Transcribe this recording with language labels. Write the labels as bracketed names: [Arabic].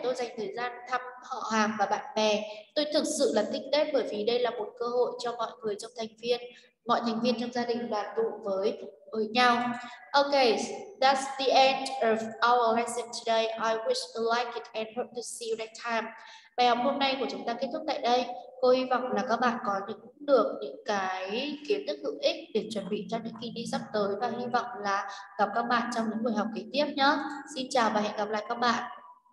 [Vietnamese] tôi dành thời gian thăm họ hàng và bạn bè. Tôi thực sự là thích Tết bởi vì đây là một cơ hội cho mọi người trong mọi thành viên trong gia đình đoàn tụ với nhau. [English] Okay, that's the end of our lesson today. I wish you like it and hope to see you next time. [Vietnamese] Bài học hôm nay của chúng ta kết thúc tại đây. Cô hy vọng là các bạn có được những cái kiến thức hữu ích để chuẩn bị cho những kỳ thi sắp tới và hy vọng là gặp các bạn trong những buổi học kế tiếp nhé. Xin chào và hẹn gặp lại các bạn.